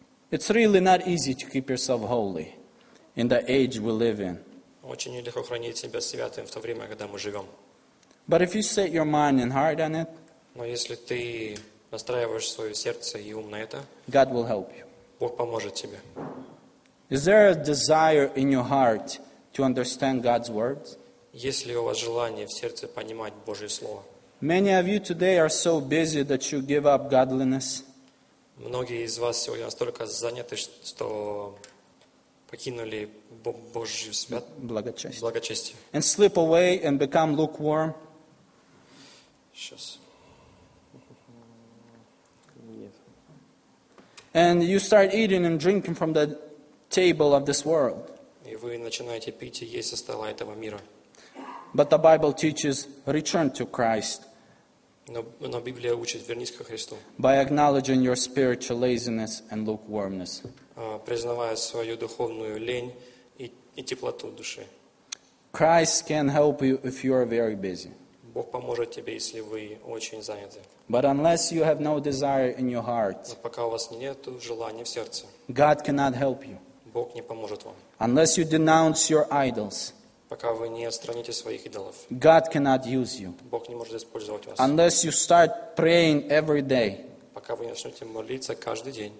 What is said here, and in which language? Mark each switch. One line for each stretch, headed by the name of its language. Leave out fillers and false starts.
English: It's really not easy to keep yourself holy in the age we live in.
Russian: Очень нелегко хранить себя святым в то время, когда мы живем.
English: But if you set your mind and heart on it,
Russian: но если ты настраиваешь свое сердце и ум на это,
English: God will help you.
Russian: Бог поможет тебе.
English: Is there a desire in your heart to understand God's words?
Russian: Есть ли у вас желание в сердце понимать Божье слово?
English: Many of you today are so busy that you give up godliness.
Russian: Многие из вас сегодня настолько заняты, что покинули Божью благочестие. Благочестие.
English: And slip away and become lukewarm.
Russian: Сейчас.
English: And you start eating and drinking from the table of this world.
Russian: И вы начинаете пить и есть со стола этого мира.
English: But the Bible teaches, return to Christ.
Russian: Но Библия учит, вернись ко Христу.
English: By acknowledging your spiritual laziness and lukewarmness.
Russian: Признавая свою духовную лень и теплоту души.
English: Christ can help you if you are very busy.
Russian: Бог поможет тебе, если вы очень заняты.
English: But unless you have no desire in your heart,
Russian: пока у вас нету желания в сердце,
English: God cannot help you.
Russian: Бог не поможет вам.
English: Unless you denounce your idols,
Russian: пока вы не отстраните своих идолов,
English: God cannot use you.
Russian: Бог не может использовать вас.
English: Unless you start praying every day,
Russian: пока вы не начнете молиться каждый день,